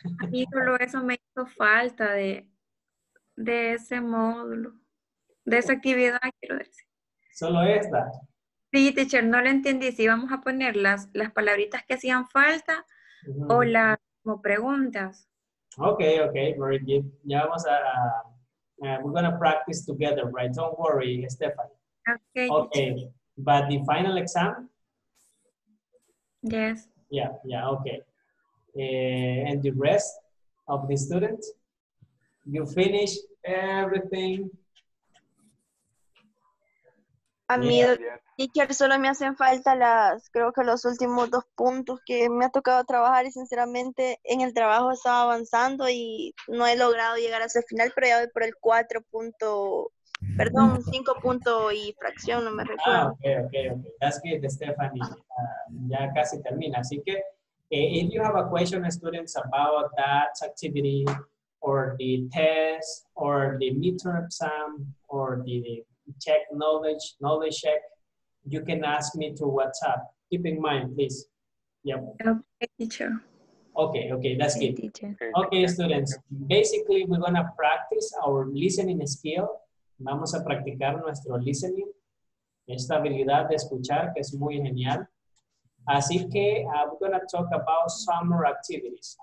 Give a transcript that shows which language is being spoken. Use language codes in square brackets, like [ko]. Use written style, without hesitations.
[es] A mí solo eso me hizo falta de ese módulo, de esa actividad, quiero decir. Solo esta. Sí, teacher, no lo entendí. Si vamos a poner las palabritas que hacían falta, uh-huh, o las como preguntas. [en] Okay, very good. [es] Ya vamos a, [en] we're gonna practice together, right? Don't worry, Stephanie. Okay. But the final exam? Yes. Yeah, okay. And the rest of the students? You finish everything? [es] A mí, teacher, solo me hacen falta las, creo que los últimos dos puntos que me ha tocado trabajar, y sinceramente en el trabajo estaba avanzando y no he logrado llegar hasta el final, pero ya voy por el 5 punto y fracción, no me recuerdo. [en] Ah, okay. That's good, Stephanie. [es] Ya casi termina. Así que, [en] if you have a question, students, about that activity, or the test, or the midterm exam, or the check knowledge check, you can ask me through WhatsApp. Keep in mind, please. Yep. Okay, teacher. Okay, that's good. Teacher. Okay, students, basically we're gonna practice our listening skill. [es] Vamos a practicar nuestro listening, esta habilidad de escuchar que es muy genial. Así que [en] we're gonna talk about summer activities.